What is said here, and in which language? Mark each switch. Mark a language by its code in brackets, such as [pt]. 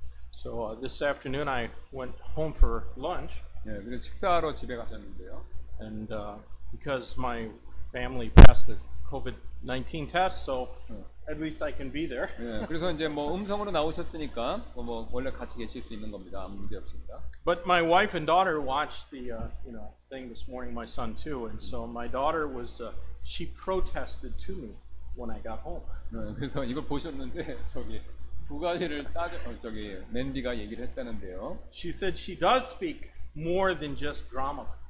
[en] So this afternoon I went home for lunch. And because my family passed the COVID-19 test, so at least I can be there. [ko] 그래서 이제 뭐 음성으로 나오셨으니까 뭐 원래 같이 계실 수 있는 겁니다. 아무 문제 없습니다. [en] But my wife and daughter watched the thing this morning, my son too, and so my daughter was she protested to me when I got home. [ko] 그래서 이걸 보셨는데 저기 두 가지를 따져 저기 맨디가 얘기를 했다는데요. [en] She said she does speak more than just drama.